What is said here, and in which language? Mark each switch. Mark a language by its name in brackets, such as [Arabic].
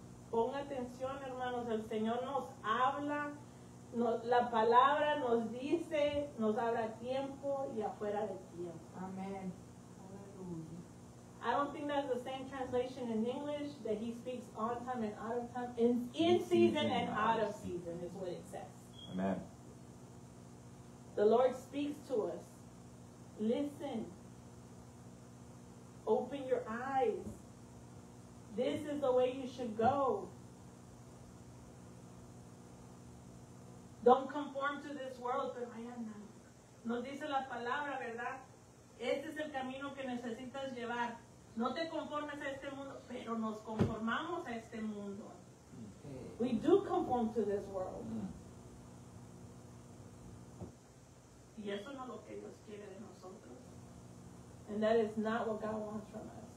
[Spanish] Ponga atención, hermanos, el Señor nos habla, la palabra nos dice, nos abre a tiempo y afuera de tiempo. Amén. [English] I don't think that's the same translation in English, that he speaks on time and out of time, in season and out of season is what it says. Amen. The Lord speaks to us. Listen. Open your eyes. This is the way you should go. Don't conform to this world, [Spanish] pero vaya nada. Nos dice la palabra, ¿verdad? Este es el camino que necesitas llevar. No te conformes a este mundo, pero nos conformamos a este mundo. Okay. [English] We do conform to this world. [Spanish] Y eso no es lo que Dios quiere de nosotros. [English] And that is not what God wants from us.